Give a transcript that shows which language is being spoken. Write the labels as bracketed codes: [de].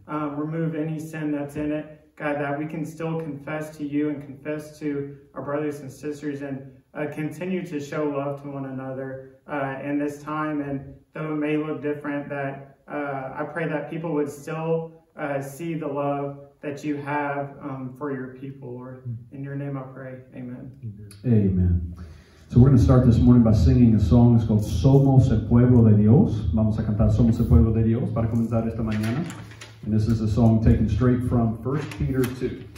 [en] Remove any sin that's in it. God, that we can still confess to you and confess to our brothers and sisters and continue to show love to one another in this time. And though it may look different, that I pray that people would still see the love that you have for your people, Lord. In your name I pray. Amen. Amen. So we're going to start this morning by singing a song. It's called Somos el Pueblo de Dios. [es] Vamos a cantar Somos el Pueblo de Dios para comenzar esta mañana. [en] And this is a song taken straight from 1 Peter 2.